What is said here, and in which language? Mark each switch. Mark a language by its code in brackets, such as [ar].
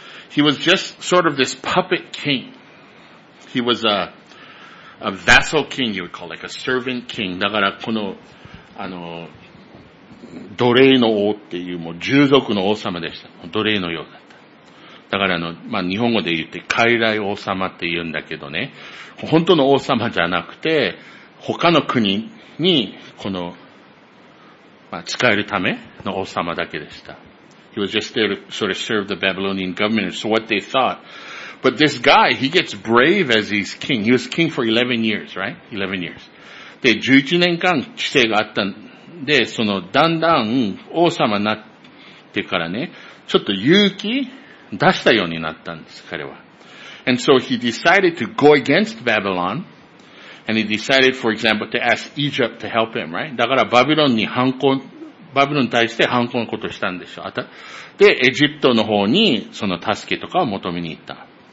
[en] He was just sort of this puppet king. He was a vassal king, you would call, like a servant king. [ja] だからこの、奴隷の王っていう、もう従属の王様でした。奴隷のようだった。だから日本語で言って、傀儡王様って言うんだけどね、本当の王様じゃなくて、他の国に、使えるための王様だけでした。 [en] He was just there to sort of serve the Babylonian government. So what they thought. But this guy, he gets brave as he's king. He was king for 11 years, right? 11 years. [ja] で、11年間治世があったんで、だんだん王様になってからね、ちょっと勇気出したようになったんです、彼は。 [en] And so he decided to go against Babylon. And he decided, for example, to ask Egypt to help him, right? [ja] だからバビロンに対して反抗のことをしたんでしょ。で、エジプトの方にその助けとかを求めに行った。